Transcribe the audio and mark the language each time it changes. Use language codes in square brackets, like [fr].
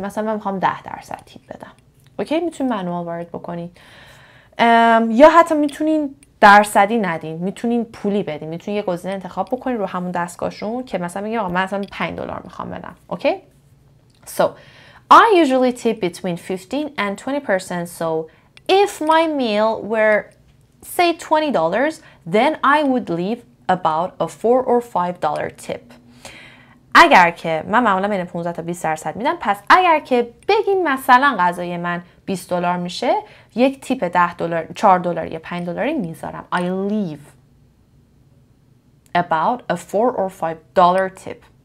[fa] مثلا من میخوام 10% تیپ بدم. اوکی؟ میتونین منوال وارد بکنین. یا حتی میتونین درصدی ندین. میتونین پولی بدین. میتونین یه گزینه انتخاب بکنین رو همون دستگاهشون که مثلا میگه آقا من مثلا $5 میخوام بدم. اوکی؟ [en] So, I usually tip between 15% and 20%. So, if my meal were, say, $20, then I would leave about a $4 or $5 tip. [fa] اگر که من معمولا بین 15% to 20% میدم، پس اگر که بگیم مثلا غذای من $20 میشه، یک تیپ $10، $4 یا $5 میذارم. [en] I leave about a $4 or $5 tip.